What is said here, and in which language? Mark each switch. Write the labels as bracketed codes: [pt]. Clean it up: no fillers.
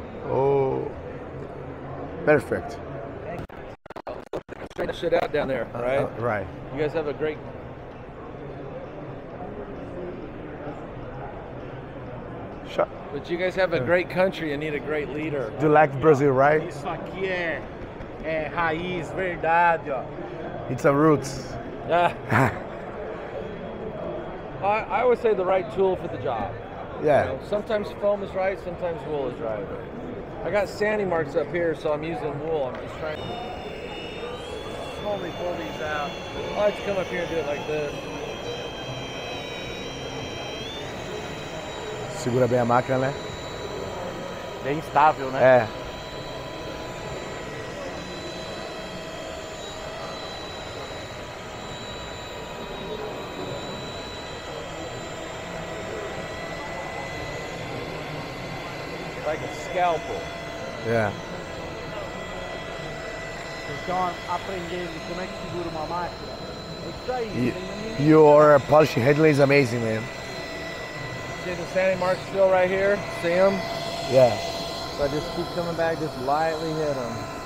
[en] Oh, perfect. check that shit out down there, right? Right. You guys have a great... But you guys have a great country and need a great leader. Do you like Brazil, right? [pt] Isso aqui é, é raiz, verdade, ó. [en] It's a roots. I would say the right tool for the job. Yeah. You know, sometimes foam is right, sometimes wool is right. I got sandy marks up here, so I'm using wool. I'm just trying to slowly pull these out. I like to come up here and do it like this. [pt] Segura bem a máquina, né? Bem estável, né? É. [en] Like a scalpel. Yeah. [pt] Então, aprendendo como é que segura uma máquina. É isso aí. [en] Your polishing handling is amazing, man. See the sandy marks still right here? See them? Yeah. So I just keep coming back, just lightly hit them.